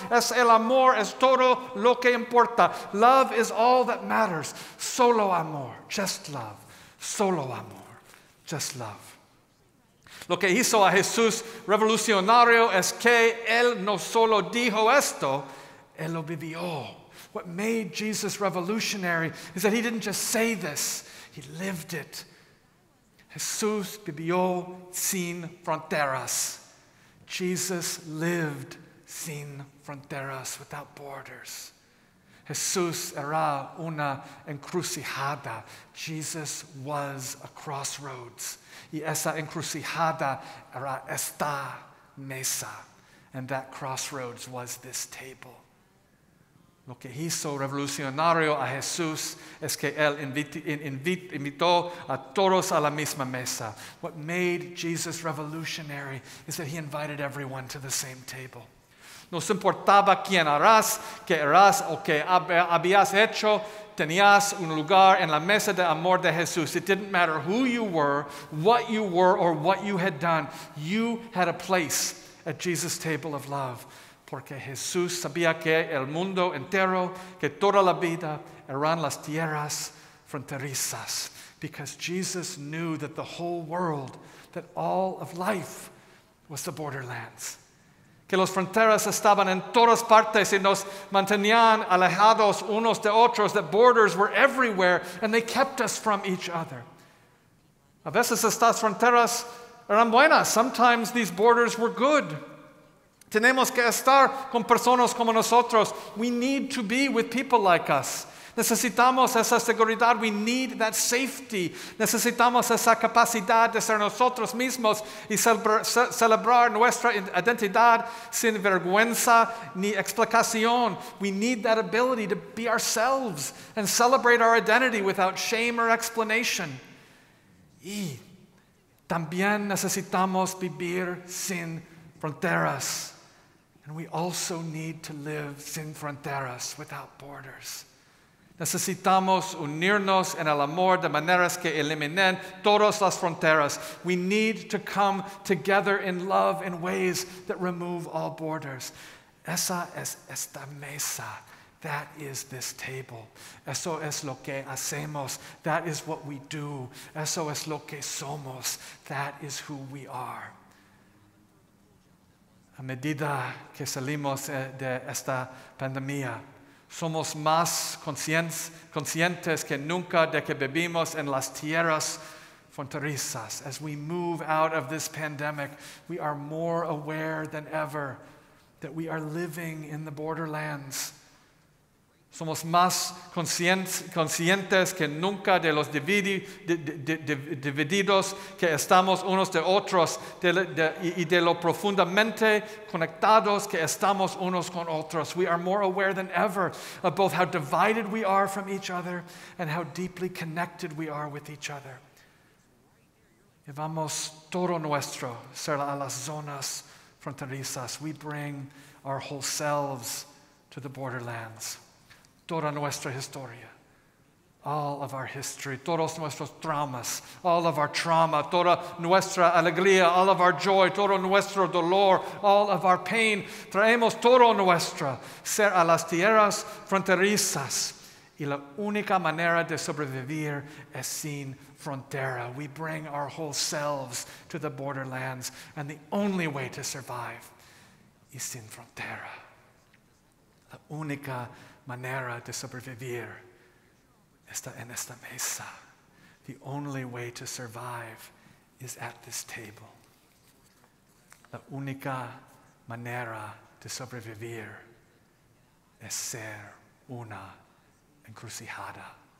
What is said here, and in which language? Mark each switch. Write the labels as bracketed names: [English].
[Spanish] Es el amor, es todo lo que importa. [English] Love is all that matters. [Spanish] Solo amor, [English] just love. [Spanish] Solo amor, just love. Lo que hizo a Jesús revolucionario es que él no solo dijo esto, él lo vivió. [English] What made Jesus revolutionary is that he didn't just say this, he lived it. [Spanish] Jesús vivió sin fronteras. [English] Jesus lived [Spanish] sin fronteras, [English] without borders. [Spanish] Jesús era una encrucijada. [English] Jesus was a crossroads. [Spanish] Y esa encrucijada era esta mesa. [English] And that crossroads was this table. [Spanish] Lo que hizo revolucionario a Jesús es que él invitó a todos a la misma mesa. [English] What made Jesus revolutionary is that he invited everyone to the same table. [Spanish] No importaba quién eras o qué habías hecho, tenías un lugar en la mesa de amor de Jesús. [English] It didn't matter who you were, or what you had done. You had a place at Jesus' table of love. [Spanish] Porque Jesús sabía que el mundo entero, que toda la vida, eran las tierras fronterizas. [English] Because Jesus knew that the whole world, that all of life, was the borderlands. [Spanish] Que las fronteras estaban en todas partes y nos mantenían alejados unos de otros, [English] that borders were everywhere and they kept us from each other. [Spanish] A veces estas fronteras eran buenas. [English] Sometimes these borders were good. [Spanish] Tenemos que estar con personas como nosotros. [English] We need to be with people like us. [Spanish] Necesitamos esa seguridad. [English] We need that safety. [Spanish] Necesitamos esa capacidad de ser nosotros mismos y celebrar nuestra identidad sin vergüenza ni explicación. [English] We need that ability to be ourselves and celebrate our identity without shame or explanation. [Spanish] Y también necesitamos vivir sin fronteras. [English] And we also need to live [Spanish] sin fronteras, [English] without borders. [Spanish] Necesitamos unirnos en el amor de maneras que eliminen todas las fronteras. [English] We need to come together in love in ways that remove all borders. [Spanish] Esa es esta mesa. [English] That is this table. [Spanish] Eso es lo que hacemos. [English] That is what we do. [Spanish] Eso es lo que somos. [English] That is who we are. [Spanish] A medida que salimos de esta pandemia, somos más conscientes que nunca de que vivimos en las tierras fronterizas. [English] As we move out of this pandemic, we are more aware than ever that we are living in the borderlands. [Spanish] Somos más conscientes que nunca de los divididos que estamos unos de otros y de lo profundamente conectados que estamos unos con otros. [English] We are more aware than ever of both how divided we are from each other and how deeply connected we are with each other. [Spanish] Llevamos todo nuestro ser a las zonas fronterizas. [English] We bring our whole selves to the borderlands. [Spanish] toda nuestra historia, [English] all of our history, [Spanish] todos nuestros traumas, [English] all of our trauma, [Spanish] toda nuestra alegría, [English] all of our joy, [Spanish] todo nuestro dolor, [English] all of our pain, [Spanish] traemos todo nuestro ser a las tierras fronterizas. Y la única manera de sobrevivir es sin frontera. [English] We bring our whole selves to the borderlands, and the only way to survive is [Spanish] sin frontera. La única manera de sobrevivir está en esta mesa. [English] The only way to survive is at this table. [Spanish] La única manera de sobrevivir es ser una encrucijada.